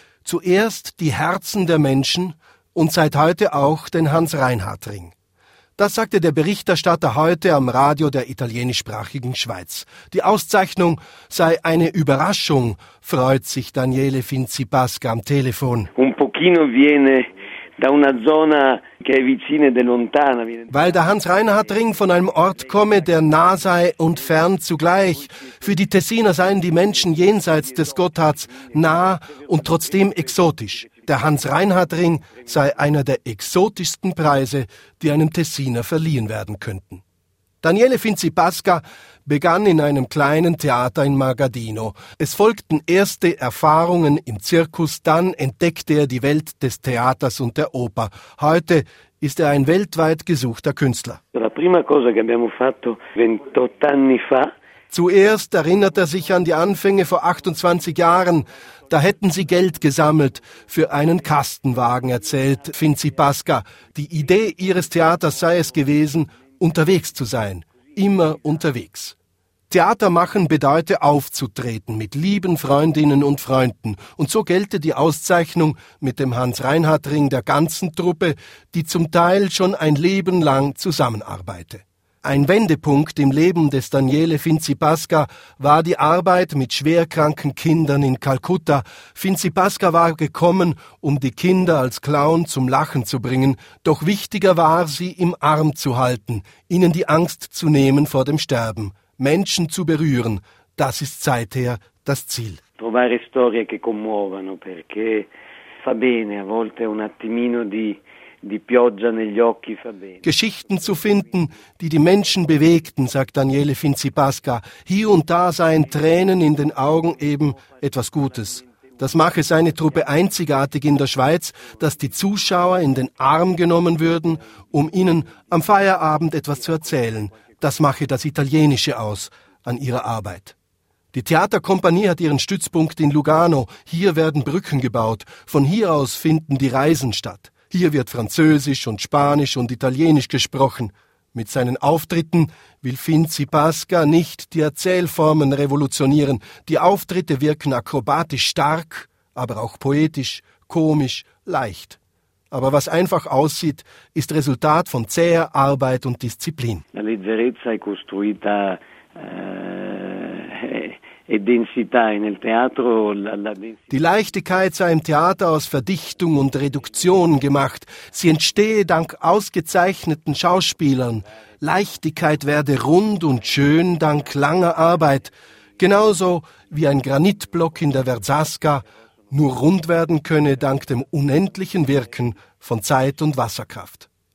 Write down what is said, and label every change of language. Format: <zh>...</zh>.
<de>Zuerst die Herzen der Menschen und seit heute auch den Hans-Reinhardt-Ring. Das sagte der Berichterstatter heute am Radio der italienischsprachigen Schweiz. Die Auszeichnung sei eine Überraschung, freut sich Daniele Finzipasca am Telefon.</de> <it>Un pochino viene da una zona che è vicina e lontana.</it> <de>Weil der Hans-Reinhardt-Ring von einem Ort komme, der nah sei und fern zugleich. Für die Tessiner seien die Menschen jenseits des Gotthards nah und trotzdem exotisch. Der Hans-Reinhardt-Ring sei einer der exotischsten Preise, die einem Tessiner verliehen werden könnten. Daniele Finzipasca begann in einem kleinen Theater in Magadino. Es folgten erste Erfahrungen im Zirkus, dann entdeckte er die Welt des Theaters und der Oper. Heute ist er ein weltweit gesuchter Künstler.</de> <it>La prima cosa che abbiamo fatto 28 anni fa.</it> <de>Zuerst erinnert er sich an die Anfänge vor 28 Jahren. Da hätten sie Geld gesammelt für einen Kastenwagen, erzählt Finzipasca. Die Idee ihres Theaters sei es gewesen, unterwegs zu sein. Immer unterwegs. Theater machen bedeutet aufzutreten mit lieben Freundinnen und Freunden. Und so gelte die Auszeichnung mit dem Hans-Reinhardt-Ring der ganzen Truppe, die zum Teil schon ein Leben lang zusammenarbeite. Ein Wendepunkt im Leben des Daniele Finzipasca war die Arbeit mit schwerkranken Kindern in Kalkutta. Finzipasca war gekommen, um die Kinder als Clown zum Lachen zu bringen. Doch wichtiger war, sie im Arm zu halten, ihnen die Angst zu nehmen vor dem Sterben, Menschen zu berühren. Das ist seither das Ziel.</de> <it>Trovare storie che commuovano, perché fa bene a volte un attimino di... Die pioggia negli occhi fa bene.</it> <de>Geschichten zu finden, die die Menschen bewegten, sagt Daniele Finzipasca. Hier und da seien Tränen in den Augen eben etwas Gutes. Das mache seine Truppe einzigartig in der Schweiz, dass die Zuschauer in den Arm genommen würden, um ihnen am Feierabend etwas zu erzählen. Das mache das Italienische aus an ihrer Arbeit. Die Theaterkompanie hat ihren Stützpunkt in Lugano. Hier werden Brücken gebaut. Von hier aus finden die Reisen statt. Hier wird Französisch und Spanisch und Italienisch gesprochen. Mit seinen Auftritten will Finzipasca nicht die Erzählformen revolutionieren. Die Auftritte wirken akrobatisch stark, aber auch poetisch, komisch, leicht. Aber was einfach aussieht, ist Resultat von zäher Arbeit und Disziplin.</de> <it>La leggerezza è costruita e densità nel teatro, la densità.</it> <de>Die Leichtigkeit sei im Theater aus Verdichtung und Reduktion gemacht. Sie entstehe dank ausgezeichneten Schauspielern. Leichtigkeit werde rund und schön dank langer Arbeit. Genauso wie ein Granitblock in der Verzasca nur rund werden könne dank dem unendlichen Wirken von Zeit und Wasserkraft.</de>